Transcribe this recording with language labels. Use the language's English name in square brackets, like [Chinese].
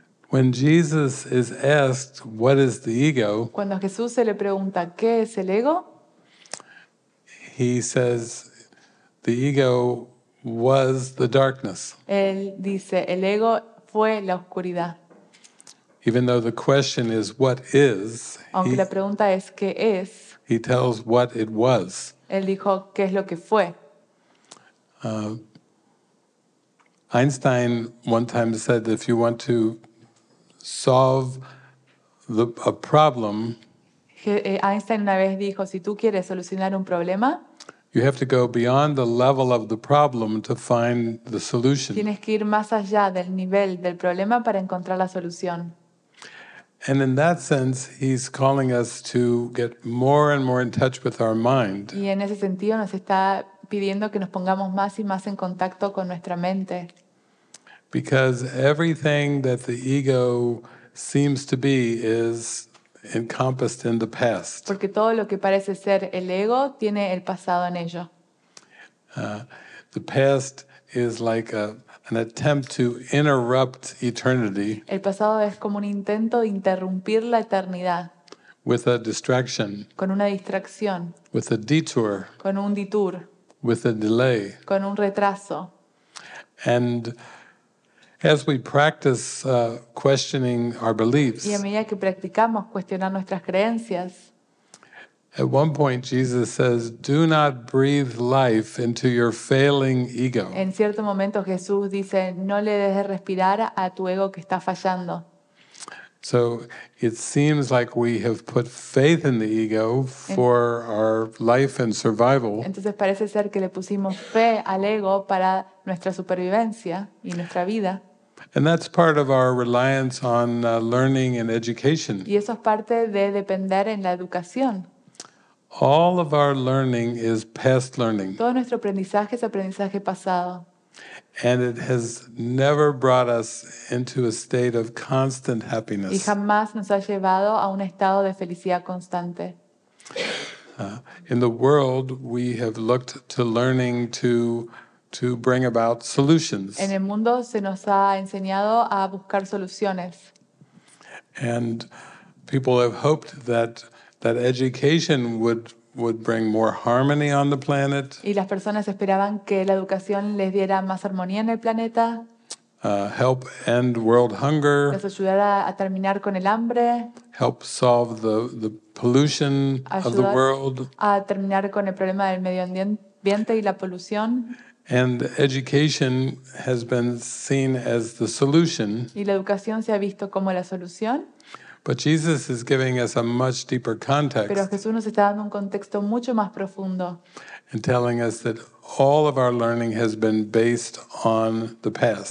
[English] When Jesus is asked, what is the ego? [Spanish] Cuando a Jesús se le pregunta, ¿qué es el ego? [English] He says, the ego was the darkness. [Spanish] Él dice, el ego fue la oscuridad. [English] Even though the question is, what is? [Spanish] Aunque la pregunta es, ¿qué es? [English] He tells what it was. [Spanish] Él dijo, ¿qué es lo que fue? [English] Einstein one time said that if you want to solve a problem, [Spanish] Einstein una vez dijo, si tú quieres solucionar un problema, [English] You have to go beyond the level of the problem to find the solution. [Spanish] Tienes que ir más allá del nivel del problema para encontrar la solución. [English] And in that sense, he's calling us to get more and more in touch with our mind. [Spanish] Y en ese sentido nos está pidiendo que nos pongamos más y más en contacto con nuestra mente. [English] Because everything that the ego seems to be is encompassed in the past. [Spanish] Porque todo lo que parece ser el ego tiene el pasado en ello. [English] The past is like an attempt to interrupt eternity. [Spanish] El pasado es como un intento de interrumpir la eternidad. [English] With a distraction. [Spanish] Con una distracción. [English] With a detour. [Spanish] Con un detour. [English] With a delay. [Spanish] Con un retraso. [English] And as we practice questioning our beliefs, [Spanish] y a medida que practicamos cuestionar nuestras creencias, [English] at one point Jesus says, "Do not breathe life into your failing ego." [Spanish] En cierto momento Jesús dice, "No le dejes respirar a tu ego que está fallando." [English] So it seems like we have put faith in the ego for our life and survival. [Spanish] Entonces parece ser que le pusimos fe al ego para nuestra supervivencia y nuestra vida. [English] And that's part of our reliance on learning and education. [Spanish] Y eso es parte de depender en la educación. [English] All of our learning is past learning. [Spanish] Todo nuestro aprendizaje es aprendizaje pasado. [English] And it has never brought us into a state of constant happiness. [Spanish] Y jamás nos ha llevado a un estado de felicidad constante. [English] In the world, we have looked to learning to bring about solutions. [Spanish] En el mundo se nos ha enseñado a buscar soluciones. [English] And people have hoped that education would bring more harmony on the planet. [Spanish] Y las personas esperaban que la educación les diera más armonía en el planeta. [English] Help end world hunger. [Spanish] Les ayudara a terminar con el hambre. [English] Help solve the pollution of the world. [Spanish] A terminar con el problema del medio ambiente y la polución. [English] And education has been seen as the solution. [Spanish] Y la educación se ha visto como la solución. [English] But Jesus is giving us a much deeper context. [Spanish] Pero Jesús nos está dando un contexto mucho más profundo. [English] And telling us that all of our learning has been based on the past.